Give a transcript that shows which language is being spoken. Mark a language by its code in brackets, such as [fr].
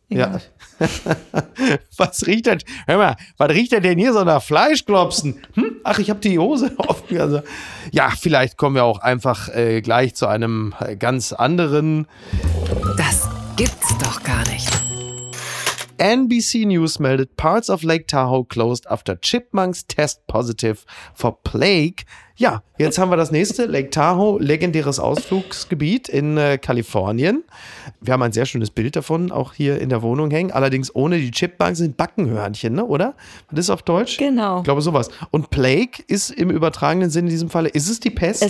[de] Egal. Ja. Was riecht denn? Hör mal, was riecht denn hier so nach Fleischklopsen? Ach, ich habe die Hose offen. Also, ja, vielleicht kommen wir auch einfach gleich zu einem ganz anderen. Das gibt's doch gar nicht. [en] NBC News [de] meldet, [en] parts of Lake Tahoe closed after chipmunks test positive for plague. [de] Ja, jetzt haben wir das nächste, Lake Tahoe, legendäres Ausflugsgebiet in Kalifornien. Wir haben ein sehr schönes Bild davon, auch hier in der Wohnung hängen. Allerdings ohne die Chipmunks sind Backenhörnchen, ne? Oder? Das ist auf Deutsch? Genau. Ich glaube sowas. Und Plague ist im übertragenen Sinn in diesem Falle, ist es die Pest?